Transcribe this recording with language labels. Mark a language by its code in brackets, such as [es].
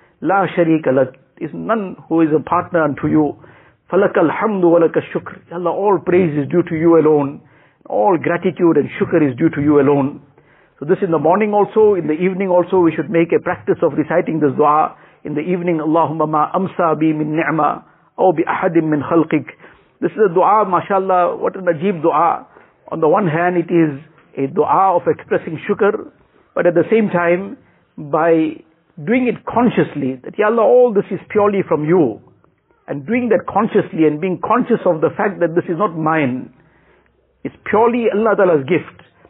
[ar] لَا شَرِيكَ لَكَ, [en] is none who is a partner unto you. [ar] فَلَكَ الْحَمْدُ وَلَكَ الشُّكْرُ, [en] ya Allah, all praise is due to you alone. All gratitude and shukr is due to you alone. So this in the morning also, in the evening also, we should make a practice of reciting this dua. In the evening, [ar] اللهم ما أمسى بي من نعمة أو بأحد من خلقك. [en] This is a dua, mashallah, what an ajeeb dua. On the one hand, it is a dua of expressing shukr, but at the same time, by doing it consciously, that ya Allah, all this is purely from you, and doing that consciously and being conscious of the fact that this is not mine, it's purely Allah Ta'ala's gift.